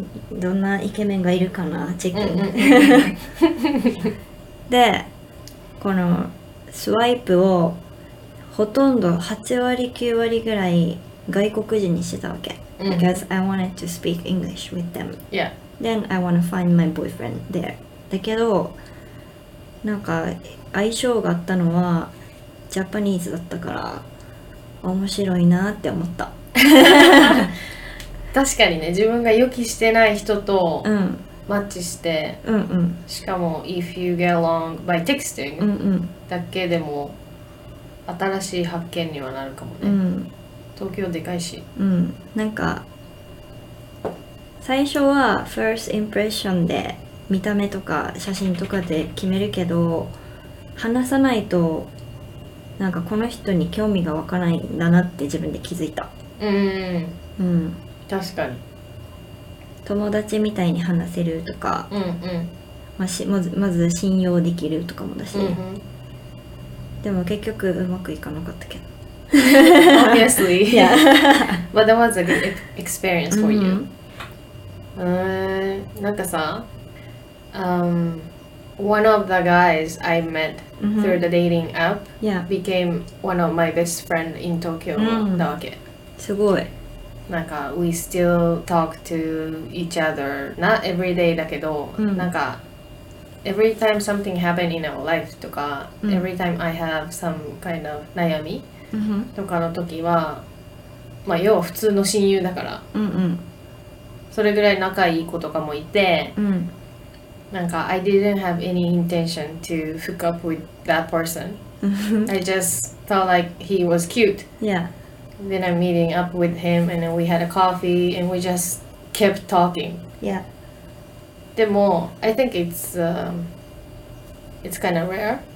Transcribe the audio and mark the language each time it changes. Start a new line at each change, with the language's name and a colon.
Japanese: どんなイケメンがいるかなチェック、うんうん、でこのスワイプをほとんど8割9割ぐらい外国人にしてたわけ、うん、
English: Because I wanted to speak English with them、 yeah. Then I want to find my boyfriend there
Japanese: だけどなんか相性があったのはジャパニーズだったから面白いなって思った確かにね、自分が予期してない人とマッチして、うんうん、しかも
English: If you get along by texting、
Japanese: うんうん、だけでも新しい発見にはなるかもね、うん、東京でかいし、うん、なんか最初は
English: first impression
Japanese: で見た目とか写真とかで決めるけど話さないとなんかこの人に興味が湧かないんだなって自分で気づいた、うん、うん確かに友達みたいに話せるとか、うんうん、まず信用できるとかもだし、うんうん、でも結局うまくいかなかったけど
English: Obviously <Yeah. 笑> But that was a good experience for you、
Japanese: うんうん、なんかさ、
English: One of the guys I met through the dating app、 yeah. became one of my best friend in Tokyo、
Japanese: うん、だわけすごいなんか
English: we still talk to each other not every day
Japanese: だけど、うん、なんか every time something happened in our life とか、うん、 every time I have some kind of 悩みとかの時は、うん、まあ要は普通の親友だから、うんうん、それぐらい仲いい子とかもいて、うん、なんか
English: I didn't have any intention to hook up with that person I just felt like he was cute yeah Then I'm meeting up with him and then we had a coffee and we just kept talking. Yeah.
Japanese: でも
English: I think it's kind of rare.